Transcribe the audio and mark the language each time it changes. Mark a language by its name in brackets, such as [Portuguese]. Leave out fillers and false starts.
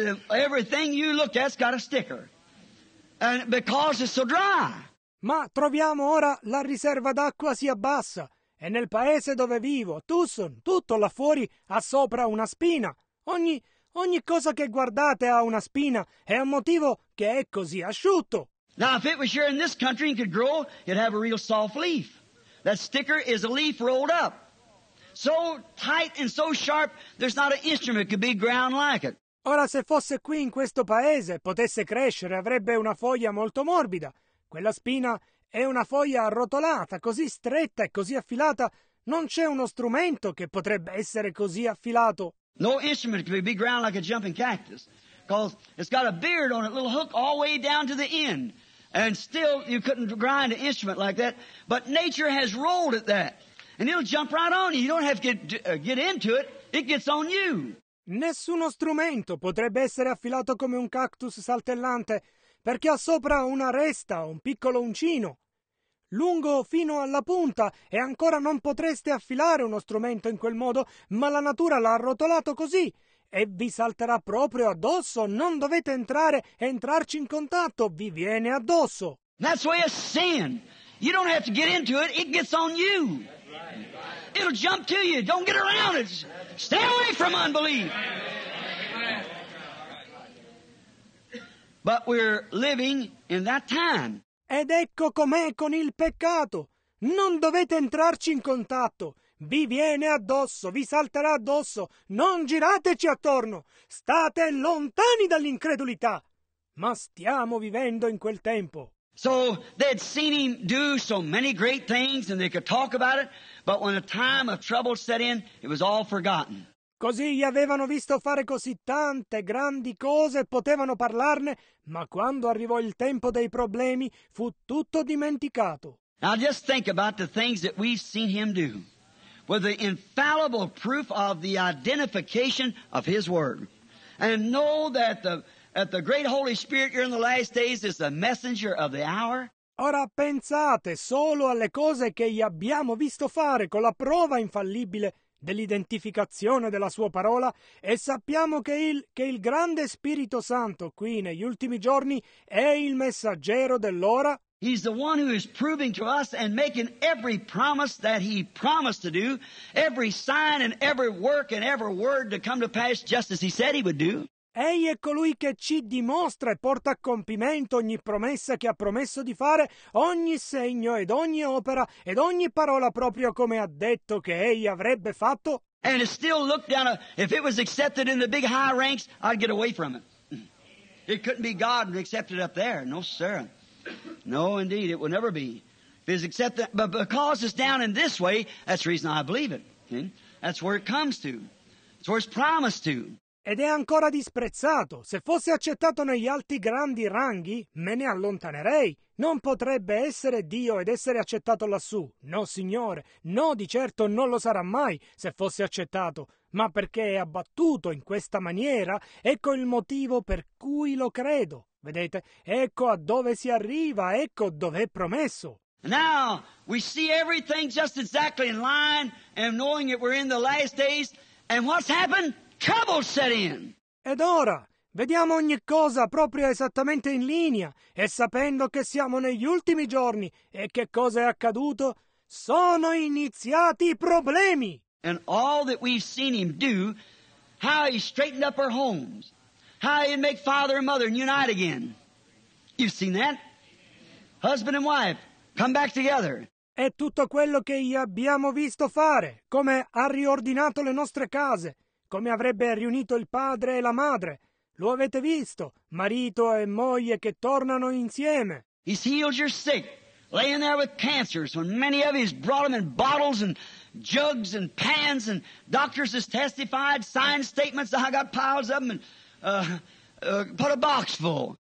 [English] Everything you look at's got a sticker. And because it's so dry. [Italian] Ma troviamo ora la riserva d'acqua si abbassa e nel paese dove vivo, Tucson, tutto là fuori ha sopra una spina. Ogni cosa che guardate ha una spina e ha un motivo che è così asciutto. [English] Now if it was here in this country and could grow, it'd have a real soft leaf. That sticker is a leaf rolled up. So tight and so sharp, there's not an instrument could be ground like it. [Italian] Ora, se fosse qui in questo paese, potesse crescere, avrebbe una foglia molto morbida. Quella spina è una foglia arrotolata, così stretta e così affilata. Non c'è uno strumento che potrebbe essere così affilato. [English] No instrument could be ground like a jumping cactus, because it's got a beard on it, a little hook all the way down to the end. And still, you couldn't grind an instrument like that. But nature has rolled at that. And it'll jump right on you. You don't have to get into it. It gets on you. [Italian] Nessuno strumento potrebbe essere affilato come un cactus saltellante, perché ha sopra una resta, un piccolo uncino. Lungo fino alla punta, e ancora non potreste affilare uno strumento in quel modo, ma la natura l'ha arrotolato così, e vi salterà proprio addosso. Non dovete entrare e entrarci in contatto. Vi viene addosso. [English] That's why it's sin. You don't have to get into it. It gets on you. It'll jump to you. Don't get around it. Stay away from unbelief. But we're living in that time. [Italian] Ed ecco com'è con il peccato. Non dovete entrarci in contatto. Vi viene addosso, vi salterà addosso. Non girateci attorno. State lontani dall'incredulità. Ma stiamo vivendo in quel tempo. [English] So they'd seen him do so many great things and they could talk about it, but when a time of trouble set in, it was all forgotten. [Italian] Così gli avevano visto fare così tante grandi cose, potevano parlarne, ma quando arrivò il tempo dei problemi, fu tutto dimenticato. [English] Now just think about the things that we've seen him do with the infallible proof of the identification of his word. And know that the great Holy Spirit here in the last days is the messenger of the hour. [Italian] Ora pensate solo alle cose che gli abbiamo visto fare con la prova infallibile dell'identificazione della sua parola, e sappiamo che il grande Spirito Santo qui negli ultimi giorni è il messaggero dell'ora. [English] He's the one who is proving to us and making every promise that he promised to do, every sign and every work and every word to come to pass just as he said he would do. [Italian] Egli è colui che ci dimostra e porta a compimento ogni promessa che ha promesso di fare, ogni segno ed ogni opera ed ogni parola proprio come ha detto che egli avrebbe fatto. [English] And it still looked down, if it was accepted in the big high ranks, I'd get away from it. It couldn't be God accepted up there, no sir. No, indeed, it will never be. If it's accepted, but because it's down in this way, that's the reason I believe it. That's where it comes to. It's where it's promised to. [Italian] Ed è ancora disprezzato. Se fosse accettato negli alti grandi ranghi, me ne allontanerei. Non potrebbe essere Dio ed essere accettato lassù. No, Signore. No, di certo non lo sarà mai se fosse accettato. Ma perché è abbattuto in questa maniera, ecco il motivo per cui lo credo. Vedete? Ecco a dove si arriva, ecco dov'è promesso. [English] Now, we see everything just exactly in line, and knowing that we're in the last days, and what's happened? Trouble set in. [Italian] Ed ora vediamo ogni cosa proprio esattamente in linea e sapendo che siamo negli ultimi giorni e che cosa è accaduto, sono iniziati i problemi. [English] And all that we've seen him do, how he straightened up our homes, how he'd make father and mother and unite again. You've seen that? Husband and wife come back together. [Italian] E tutto quello che gli abbiamo visto fare, come ha riordinato le nostre case. Come avrebbe riunito il padre e la madre. Lo avete visto, marito e moglie che tornano insieme. [English] He's healed your sick, laying there with cancers, when many of you brought them in bottles and jugs and pans, and doctors has testified, signed statements, I got piles of them, and put a box full.